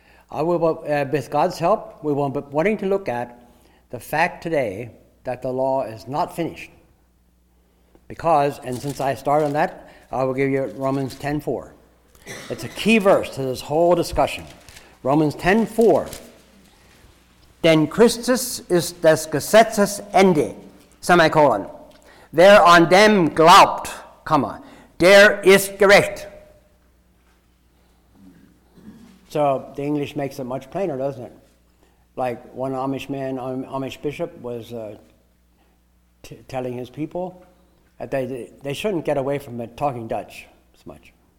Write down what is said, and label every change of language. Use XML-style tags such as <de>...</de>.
<en>I will, with God's help, we will be wanting to look at the fact today that the law is not finished. Because, and since I started on that, I will give you Romans 10:4. It's a key verse to this whole discussion. Romans 10:4.</en> <de>Then Christus ist des Gesetzes Ende, semicolon. Wer an dem glaubt, comma, der ist gerecht.</de> <en>So the English makes it much plainer, doesn't it? Like one Amish man, Amish bishop, was telling his people that they shouldn't get away from it talking Dutch as much.</en>